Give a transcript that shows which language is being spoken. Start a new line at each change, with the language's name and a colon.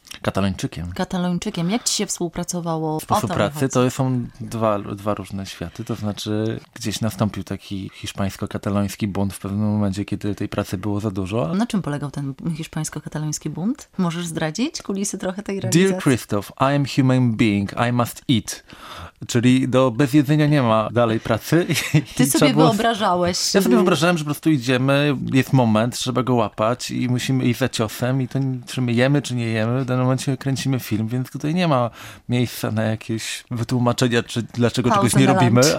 Polish: Katalończykiem. Jak ci się współpracowało? Sposób pracy to są dwa różne światy, to znaczy gdzieś nastąpił taki hiszpańsko-kataloński bunt w pewnym momencie, kiedy tej pracy było za dużo. Na czym polegał ten hiszpańsko-kataloński bunt? Możesz zdradzić kulisy trochę tej realizacji?
English: Dear Christoph, I am human being, I must eat.
Polish: Czyli do bez jedzenia nie ma dalej pracy. Ty sobie wyobrażałeś. Ja sobie wyobrażałem, że po prostu idziemy, jest moment, trzeba go łapać i musimy iść za ciosem i to czy my jemy, czy nie jemy. W danym momencie kręcimy film, więc tutaj nie ma miejsca na jakieś wytłumaczenia, czy dlaczego House czegoś nie robimy.